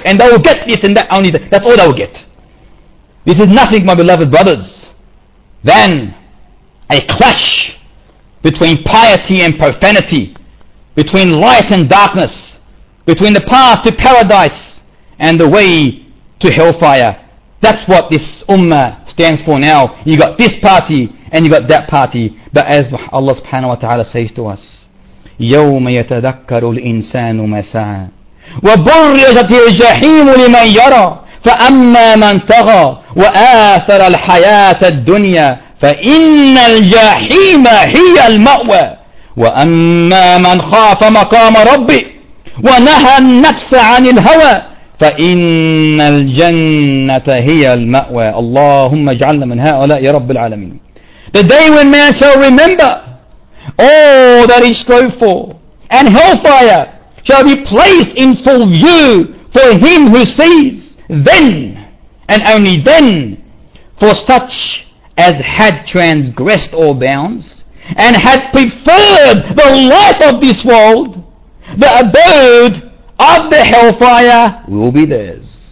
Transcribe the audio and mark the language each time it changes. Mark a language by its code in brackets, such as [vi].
[en] And they will get this and that only. That's all they will get. This is nothing, my beloved brothers, than a clash between piety and profanity, between light and darkness, between the path to paradise and the way to hellfire. That's what this ummah stands for now. You got this party and you got that party. But as Allah subhanahu wa ta'ala says to us, [ar] يَوْمَ يَتَذَكَّرُ الْإِنسَانُ مَسَاءً وَبُرِّزَتِ الْجَحِيمُ لِمَنْ يَرَى فَأَمَّا مَنْ تَغَى وَآثَرَ الْحَيَاةَ الدُّنْيَا فَإِنَّ الْجَحِيمَ هِيَ الْمَأْوَى وَأَمَّا مَنْ خَافَ مَقَامَ رَبِّهِ وَنَهَى النَّفْسَ عَنِ الْهَوَى فَإِنَّ الْجَنَّةَ هِيَ الْمَأْوَى. اللَّهُمَّ اجْعَلْنَا مِنْ هَؤُلَاءِ رَبِّ الْعَالَمِينَ. [en] The day when man shall remember all that he strove for, and hellfire shall be placed in full view for him who sees, then and only then, for such as had transgressed all bounds and had preferred the life of this world, the abode of the hellfire will be theirs.